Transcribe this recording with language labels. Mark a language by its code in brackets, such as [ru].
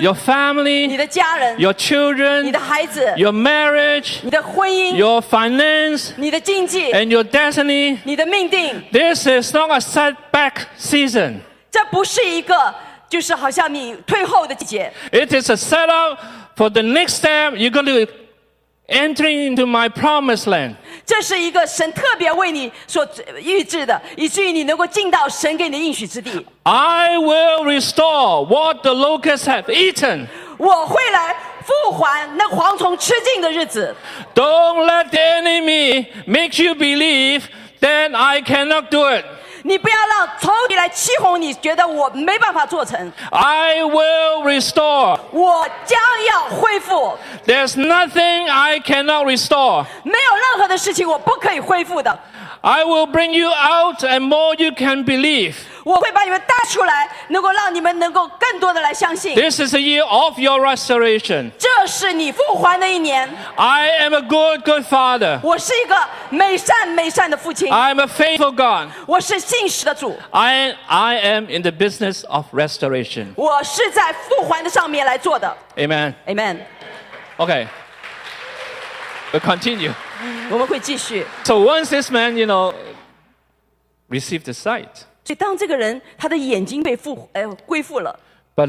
[en] your family, [zh] 你的家人, [en] your children, [zh] 你的孩子, [en] your marriage, [zh] 你的婚姻, [en] your finance, [zh] 你的经济, [en] and your destiny, [zh] 你的命定。 [en] This is not a setback season. [zh] 这不是一个 就是好像你退后的季节。 [en] It is a setup for the next step. You're going to enter into my promised land. [zh] 这是一个神特别为你所预制的， 以至于你能够进到神给你的应许之地。 [en] I will restore what the locusts have eaten. [zh] 我会来复还那蝗虫吃尽的日子。 [en] Don't let the enemy make you believe that I cannot do it. [zh] 你不要让仇敌来欺哄你，觉得我没办法做成。 [en] I will restore. [zh] 我将要恢复。 [en] There's nothing I cannot restore. [zh] 没有任何的事情我不可以恢复的。 [en] I will bring you out and more you can believe. [zh] 我会把你们带出来，能够让你们能够更多的来相信。 [en] This is a year of your restoration. [zh] 这是你复还的一年。 [en] I am a good father. [zh] 我是一个美善的父亲。 [en] I am a faithful God. [zh] 我是信实的主。 [en] I am in the business of restoration. [zh] 我是在复还的上面来做的。 [en] Amen. Amen. Okay. We'll continue. [zh] 我们会继续。 [en] So once this man, you know, received the sight. [zh] 所以当这个人他的眼睛被恢复了。But